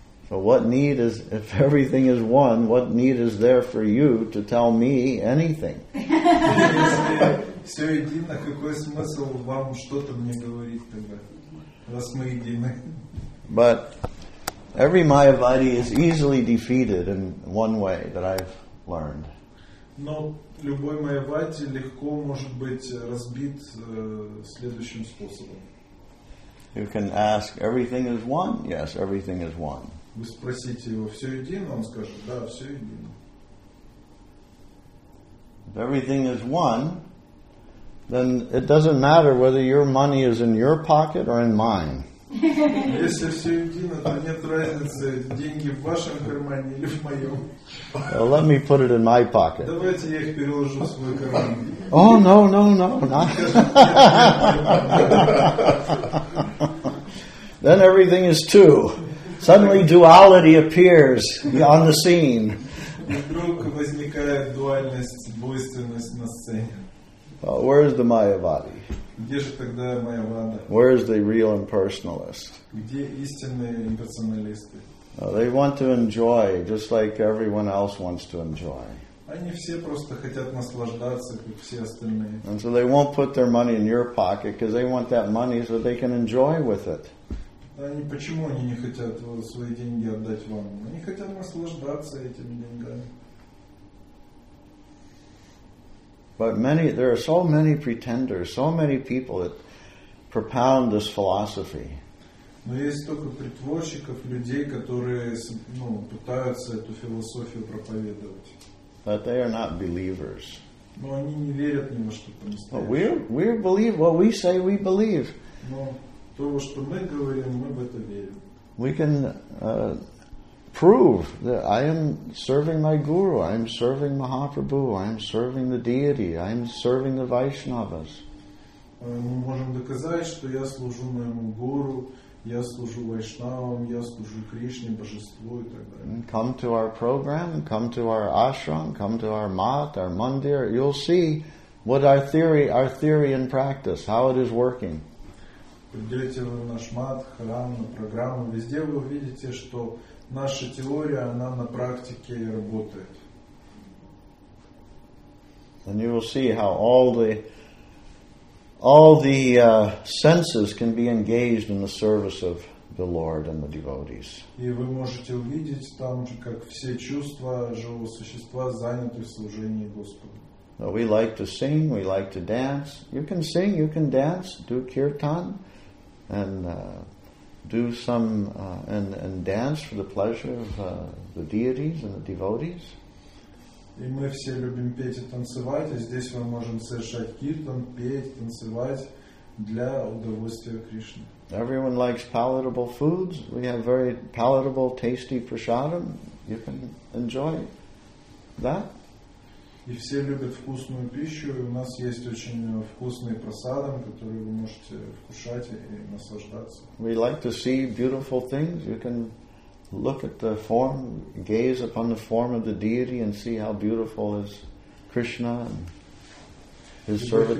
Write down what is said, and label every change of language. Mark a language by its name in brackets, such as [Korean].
[English] So what need is, if everything is one, what need is there for you to tell me anything? But every Mayavadi is easily defeated in one way that I've learned. [Russian] Но любой майявади легко может быть разбит следующим способом. [English] You can ask, everything is one? Yes, everything is one. [Russian] Вы спросите его, все едино? Он скажет, да, все едино. [English] If everything is one, then it doesn't matter whether your money is in your pocket or in mine. [Russian] Если все едино, то нет разницы, деньги в вашем кармане или в моем. [English] Well, let me put it in my pocket. [Russian] Давайте я их переложу в свой карман. [English] Oh, no, no, no. Then everything is two. Suddenly duality appears on the scene. [Russian] Вдруг возникает дуальность, двойственность на сцене. [English] Where is the Mayavadi? [Russian] Где же тогда Майявада? [English] Where is the real impersonalist? [Russian] Где истинные имперсоналисты? [English] They want to enjoy, just like everyone else wants to enjoy. [Russian] Они все просто хотят наслаждаться, как все остальные. [English] And so they won't put their money in your pocket because they want that money so they can enjoy with it. [Russian] Они почему они не хотят свои деньги отдать вам? Они хотят наслаждаться этими деньгами. [English] But many, there are so many pretenders, so many people that propound this philosophy. [Russian] Но есть столько притворщиков, людей, которые, ну, пытаются эту философию проповедовать. [English] But they are not believers. [Russian] Но они не верят ни во что по-настоящему. [English] But we believe what we say we believe. [Russian] Но то, что мы говорим, мы в это верим. [English] We can prove that I am serving my guru, I am serving Mahaprabhu, I am serving the deity, I am serving the Vaishnavas. [Russian] Мы можем доказать, что я служу моему гуру, я служу Вайшнавам, я служу Кришне, Божеству и так далее. [English] Come to our program, come to our ashram, come to our mat, our mandir. You'll see what our theory and practice, how it is working. [Russian] Придете в наш мат, храм, на программу. Везде вы увидите, что наша теория, она на практике работает. [English] And you will see how all the senses can be engaged in the service of the Lord and the devotees. [Russian] И вы можете увидеть там, как все чувства живого существа заняты в служении Господу. [English] So we like to sing, we like to dance. You can sing, you can dance, do kirtan, and do some and dance for the pleasure of the deities and the devotees. [Russian] И мы все любим петь и танцевать, и здесь мы можем совершать киртан, петь, танцевать для удовольствия Кришны. [English] Everyone likes palatable foods. We have very palatable, tasty prasadam. You can enjoy that. [Russian] И все любят вкусную пищу, и у нас есть очень вкусный прасадам, который вы можете вкушать и наслаждаться. [English] We like to see beautiful things. You can look at the form, gaze upon the form of the deity and see how beautiful is Krishna and his servitors.